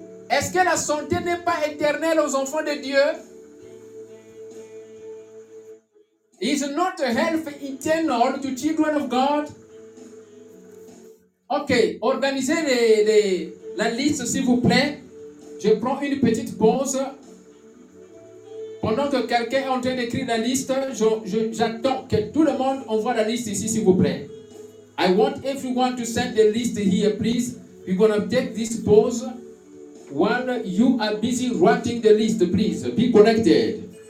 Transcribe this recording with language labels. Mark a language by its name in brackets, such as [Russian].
[French] Est-ce que la santé n'est pas éternelle aux enfants de Dieu? [English] Is not health eternal to children of God? [French] Ok, organisez la liste, s'il vous plaît. Je prends une petite pause. Pendant que quelqu'un est en train d'écrire la liste, j'attends que tout le monde envoie la liste ici, s'il vous plaît. [English] I want everyone to send the list here, please. We're going to take this pause while you are busy writing the list, please. Be connected.